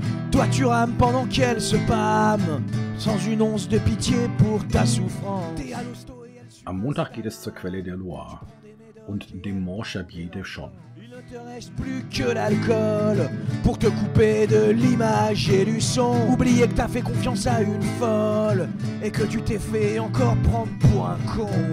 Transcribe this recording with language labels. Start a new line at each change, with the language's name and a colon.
French: Toi tu rames pendant qu'elle se pâme. Sans une once de pitié pour ta souffrance.
German: Am Montag geht es zur Quelle der Loire und dem Mont Chabier de Chon.
French: Il ne te reste plus que l'alcool pour te couper de l'image et du son. Oublier que t'as fait confiance à une folle et que tu t'es fait encore prendre pour un con.